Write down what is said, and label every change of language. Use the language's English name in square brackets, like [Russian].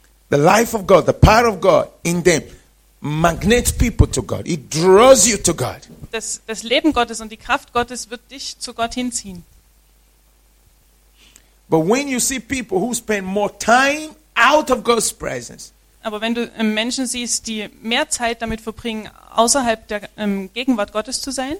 [English] The life of God, the power of God in them magnets people to God. It draws you to God. [German] Das Leben Gottes und die Kraft Gottes wird dich zu Gott hinziehen. [English] But when you see people who spend more time out of God's presence. [German] Aber wenn du Menschen siehst, die mehr Zeit damit verbringen, außerhalb der Gegenwart Gottes zu sein.